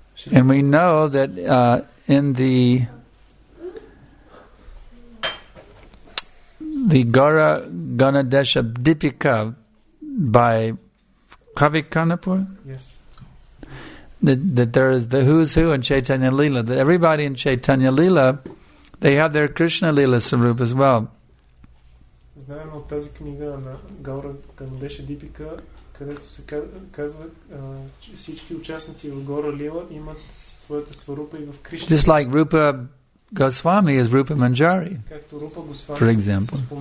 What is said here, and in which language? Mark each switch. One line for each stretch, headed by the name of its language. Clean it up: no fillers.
English: And we know that in the Gaura Ganadesha Dipika by Kavi Kanapur? Yes. That there is the who's who in Chaitanya Leela. That everybody in Chaitanya Leela, they have their Krishna Leela Sarup as well.
Bulgarian: Знаем от тази книга на Гаура Ганадеша Дипика, където се казва, всички участници в Гаура Лила имат своята сварупа и в Кришна.
English: Just like Rupa Goswami is Rupa Manjari, for example.